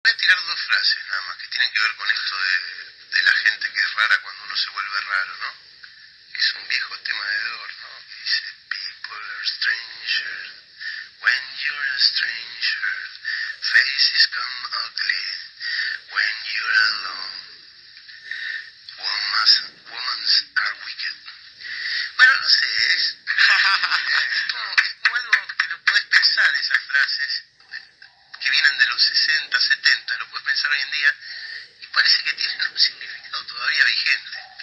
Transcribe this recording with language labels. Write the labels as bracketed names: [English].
[Spanish] Voy a tirar dos frases nada más que tienen que ver con esto de la gente que es rara cuando uno se vuelve raro, ¿no? Es un viejo tema de Doors, ¿no? Que dice, [English] people are strangers when you're a stranger, faces come ugly when you're alone, women are wicked. [Spanish] Bueno, no sé, es como algo que lo puedes pensar, esas frases que vienen de los 60, 70, lo puedes pensar hoy en día, y parece que tienen un significado todavía vigente.